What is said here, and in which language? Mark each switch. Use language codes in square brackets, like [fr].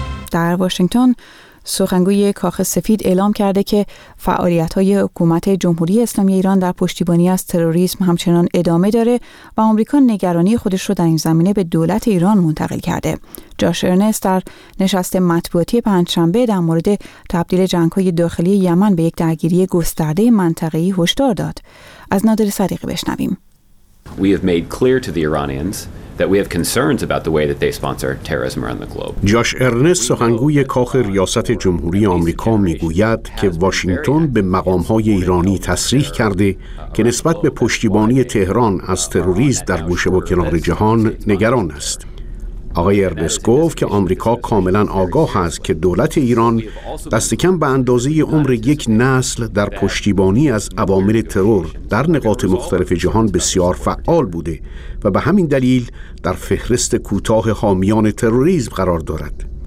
[fa] در واشنگتن سخنگوی کاخ سفید اعلام کرده که فعالیت‌های حکومت جمهوری اسلامی ایران در پشتیبانی از تروریسم همچنان ادامه داره و آمریکا نگرانی خودش رو در این زمینه به دولت ایران منتقل کرده. جاش ارنست در نشست مطبوعاتی پنجشنبه در مورد تبدیل جنگ‌های داخلی یمن به یک درگیری گسترده منطقه‌ای هشدار داد. از نادر صدیقی بشنویم. [en] We have made clear to the Iranians that we have concerns about the way that they sponsor terrorism around the globe. [fa] جاش ارنست سخنگوی کاخ ریاست جمهوری آمریکا میگوید که واشنگتن به مقام‌های ایرانی تصریح کرده که نسبت به پشتیبانی تهران از تروریست در گوشه و کنار جهان نگران است. آقای ارنست گفت که آمریکا کاملا آگاه است که دولت ایران دست کم به اندازه عمر یک نسل در پشتیبانی از عوامل ترور در نقاط مختلف جهان بسیار فعال بوده و به همین دلیل در فهرست کوتاه حامیان تروریسم قرار دارد.